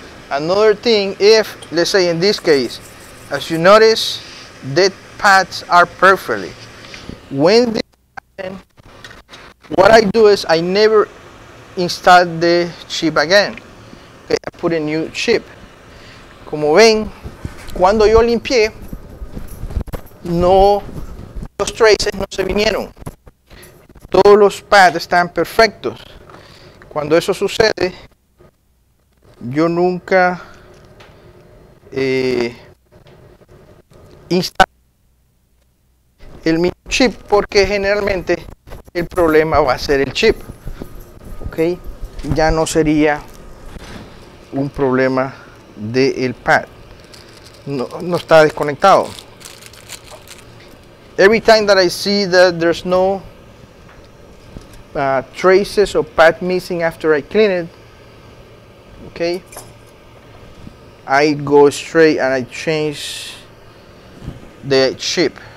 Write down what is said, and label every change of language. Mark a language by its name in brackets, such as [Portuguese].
[English] Another thing, if, let's say in this case, as you notice, the pads are perfectly. When this happens, what I do is I never install the chip again. Okay, I put a new chip. [Spanish] Como ven, cuando yo limpié, no, los traces no se vinieron. Todos los pads están perfectos. Cuando eso sucede, yo nunca instalo el mismo chip, porque generalmente el problema va a ser el chip. Okay, ya no sería un problema del pad. No está desconectado. [English] Every time that I see that there's no traces or pad missing after I clean it, okay, I go straight and I change the chip.